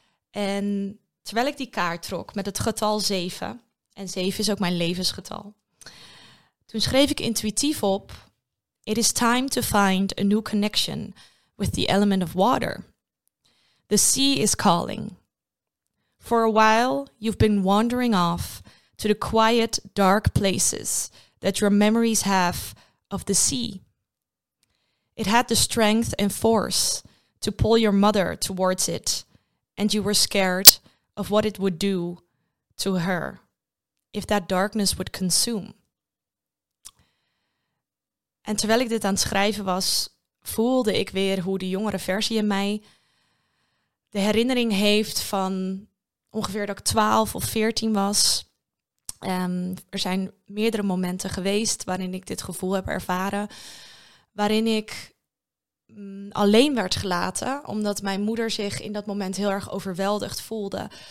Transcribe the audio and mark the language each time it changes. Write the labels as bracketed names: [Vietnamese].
[Dutch] En terwijl ik die kaart trok met het getal 7, en 7 is ook mijn levensgetal, toen schreef ik intuïtief op: [English] It is time to find a new connection with the element of water. The sea is calling. For a while you've been wandering off to the quiet, dark places that your memories have of the sea. It had the strength and force to pull your mother towards it, and you were scared of what it would do to her, if that darkness would consume. [Dutch] En terwijl ik dit aan het schrijven was, voelde ik weer hoe de jongere versie in mij de herinnering heeft van ongeveer dat ik 12 of 14 was. Er zijn meerdere momenten geweest waarin ik dit gevoel heb ervaren, waarin ik alleen werd gelaten, omdat mijn moeder zich in dat moment heel erg overweldigd voelde.